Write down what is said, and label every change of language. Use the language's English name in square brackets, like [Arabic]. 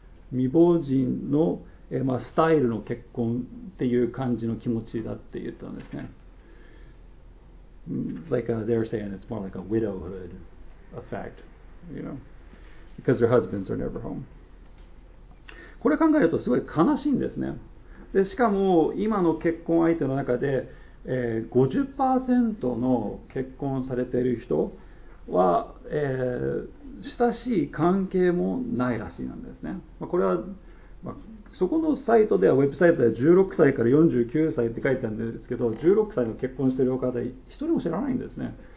[Japanese] 未亡人の、スタイルの結婚っていう感じの気持ちだって言ったんですね。 [English] Like they're saying it's more like a widowhood effect, you know, because their husbands are never home. [Japanese] これ考えるとすごい悲しいんですね。で、しかも今の結婚相手の中で、50% の結婚されている人は、親しい関係もないらしいなんですね。まあ、これは、まあ、そこのサイトでは、ウェブサイトで16歳から49歳って書いてあるんですけど、16歳の結婚してる方で一人も知らないんですね。